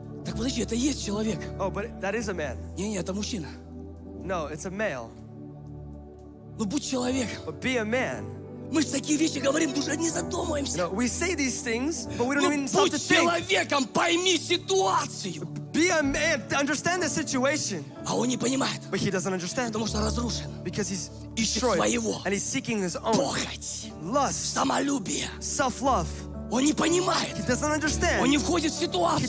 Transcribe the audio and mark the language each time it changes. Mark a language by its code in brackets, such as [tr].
[ru] Подожди, это есть человек. [en] Oh, but that is a man. [ru] Не, это мужчина. [en] No, it's a male. [ru] Ну будь человек. [en] But be a man. [ru] Мы же такие вещи говорим, даже не задумываемся. [en] You know, we say these things, but we don't even stop to think. [ru] Ну будь человеком, пойми ситуацию. [en] Be a man, understand the situation. [ru] А он не понимает. [en] But he doesn't understand. [ru] Потому что разрушен. [en] Because he's destroyed. [ru] Своего. [en] And he's seeking his own. [ru] Похоть. [en] Lust. [ru] Самолюбие. [en] Self-love. [ru] Он не понимает. [en] He doesn't understand. [ru] Он не входит в ситуацию.